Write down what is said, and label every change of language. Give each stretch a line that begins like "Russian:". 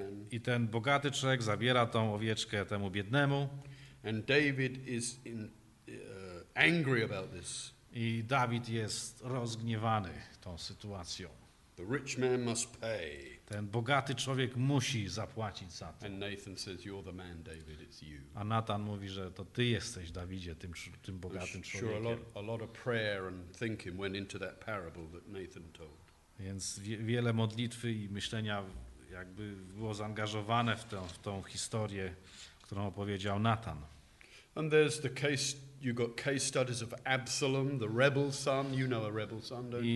Polish: I ten bogaty człowiek zabiera tą owieczkę temu biednemu.
English: And David is angry about this.
Polish: I Dawid jest rozgniewany tą sytuacją.
English: The rich man must pay.
Polish: Ten bogaty człowiek musi zapłacić za to.
English: And Nathan says, "You're the man, David. It's you."
Polish: A Nathan mówi, że to ty jesteś, Dawidzie, tym bogatym człowiekiem.
English: Sure, a lot of prayer and thinking went into that parable that Nathan told.
Polish: Więc wiele modlitwy i myślenia jakby było zaangażowane w tą historię, którą opowiedział Nathan.
English: And there's the case, you got case studies of Absalom, the rebel son. You know a rebel son, don't you?